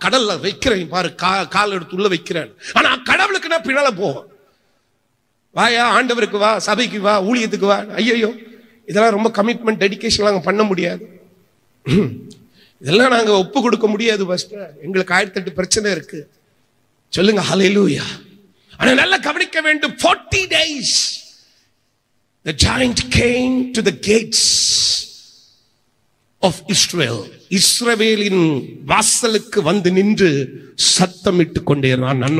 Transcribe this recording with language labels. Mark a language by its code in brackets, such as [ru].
[ta] கடல்ல வைக்கிறேன் பாரு, கால் எடுத்து உள்ள வைக்கிறேன். ஆனா கடவுளுக்குன்னா பின்னால போவான். வாயா, ஆண்டவருக்கு வா, சபைக்கு வா, ஊழியத்துக்கு வா. ஐயோ, இதெல்லாம் ரொம்ப கமிட்மெண்ட், டெடிக்கேஷன் நாங்கள் பண்ண முடியாது, இதெல்லாம் நாங்கள் ஒப்பு கொடுக்க முடியாது பாஸ்டர், எங்களுக்கு 18 பிரச்சனை இருக்கு. சொல்லுங்க ஹல்லேலூயா. ஆனால் நல்லா கவனிக்க வேண்டும். [en] 40 days the giant came to the gates of Israel. [ta] இஸ்ரவேலின் வாசலுக்கு வந்து நின்று சத்தமிட்டு கொண்டே இருந்தான்.